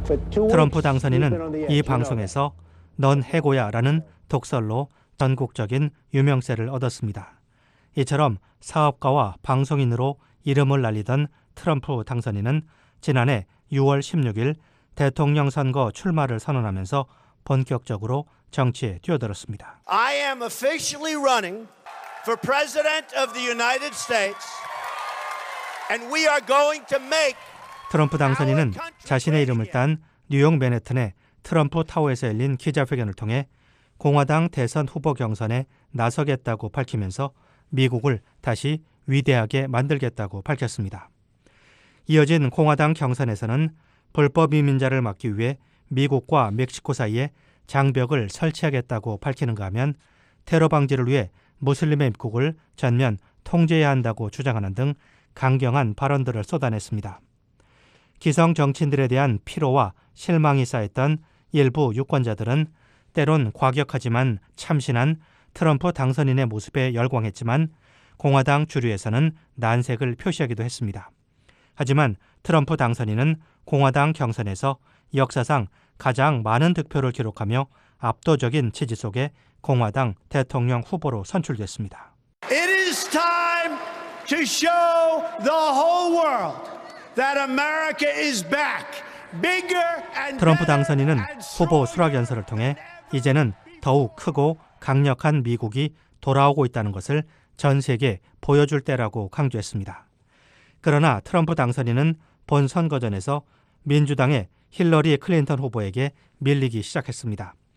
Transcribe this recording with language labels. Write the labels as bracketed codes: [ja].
[ko] 트럼프 당선인은 이 방송에서 넌 해고야 라는 독설로 전국적인 유명세를 얻었습니다. 이처럼 사업가와 방송인으로 이름을 날리던 트럼프 당선인은 지난해 6월 16일 대통령 선거 출마를 선언하면서 본격적으로 정치에 뛰어들었습니다. [en] I am officially running for president of the United States and we are going to make [ko] 트럼프 당선인은 자신의 이름을 딴 뉴욕 맨해튼의 트럼프 타워에서 열린 기자회견을 통해 공화당 대선 후보 경선에 나서겠다고 밝히면서 미국을 다시 위대하게 만들겠다고 밝혔습니다. 이어진 공화당 경선에서는 불법 이민자를 막기 위해 미국과 멕시코 사이에 장벽을 설치하겠다고 밝히는가 하면 테러 방지를 위해 무슬림의 입국을 전면 통제해야 한다고 주장하는 등 강경한 발언들을 쏟아냈습니다. 기성 정치인들에 대한 피로와 실망이 쌓였던 일부 유권자들은 때론 과격하지만 참신한 트럼프 당선인의 모습에 열광했지만 공화당 주류에서는 난색을 표시하기도 했습니다. 하지만 트럼프 당선인은 공화당 경선에서 역사상 가장 많은 득표를 기록하며 압도적인 지지 속에 공화당 대통령 후보로 선출됐습니다. [en] It is time to show the whole world that America is back. Bigger and better. [ko] 트럼프 당선인은 후보 수락연설을 통해 이제는 더욱 크고 강력한 미국이 돌아오고 있다는 것을 전 세계에 보여줄 때라고 강조했습니다. 그러나 트럼프 당선인은 본 선거전에서 민주당의 힐러리 클린턴 후보에게 밀리기 시작했습니다.